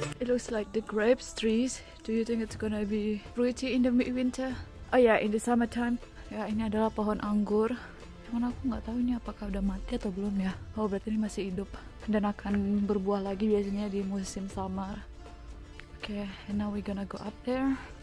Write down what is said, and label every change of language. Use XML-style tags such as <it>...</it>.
<en>Looks like the grapes trees. Do you think it's gonna be fruity in the midwinter? Oh yeah, in the summertime.</en> <id>Ya, ini adalah pohon anggur. Cuman aku nggak tahu ini apakah udah mati atau belum ya. Oh berarti ini masih hidup dan akan berbuah lagi biasanya di musim summer.</id> <en>Okay, and now we gonna go up there.</en>